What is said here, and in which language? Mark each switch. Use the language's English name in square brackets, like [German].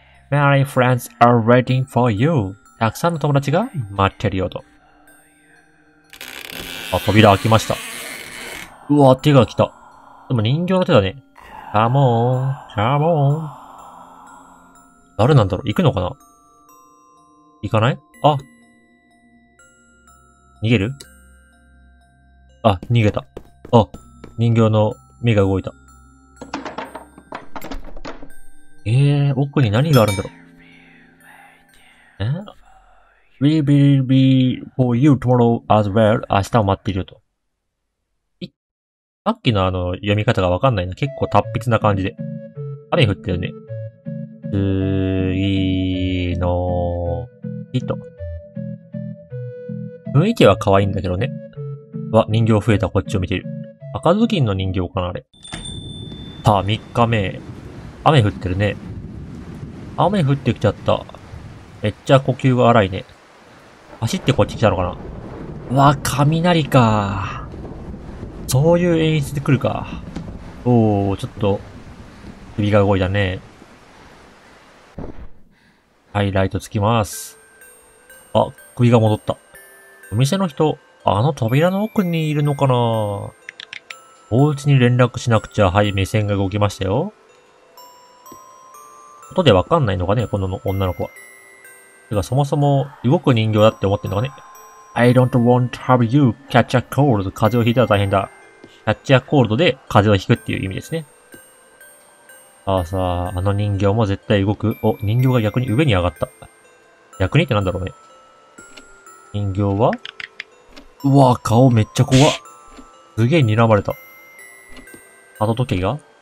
[English] Many friends are waiting for you. [Japanese] たくさんの友達が待ってるよと。あ、扉開きました。うわ、手が来た。でも人形の手だね。カモーン、カモーン。誰なんだろう？行くのかな？行かない？あ。逃げる？あ、逃げた。あ、人形の目が動いた。奥に何があるんだろう？え？ [English] We will be for you tomorrow as well. [Japanese] 明日を待っていると。さっきのあの読み方がわかんないな。結構達筆な感じで。雨降ってるね。次の人。雰囲気は可愛いんだけどね。わ、人形増えた。こっちを見てる。赤ずきんの人形かな、あれ。さあ、3日目。雨降ってるね。雨降ってきちゃった。めっちゃ呼吸が荒いね。走ってこっち来たのかな。わ、雷か。そういう演出で来るか。おー、ちょっと、首が動いたね。はい、ライトつきます。あ、首が戻った。お店の人、あの扉の奥にいるのかな？お家に連絡しなくちゃ、はい、目線が動きましたよ。音でわかんないのかね、この女の子は。てか、そもそも、動く人形だって思ってんのかね。 [English] I don't want to have you catch a cold. [Japanese] 風邪をひいたら大変だ。キャッチャーコールドで風邪をひくっていう意味ですね。さあさあ、あの人形も絶対動く。お、人形が逆に上に上がった。逆にってなんだろうね。人形は？うわぁ、顔めっちゃ怖。すげえ睨まれた。鳩時計が？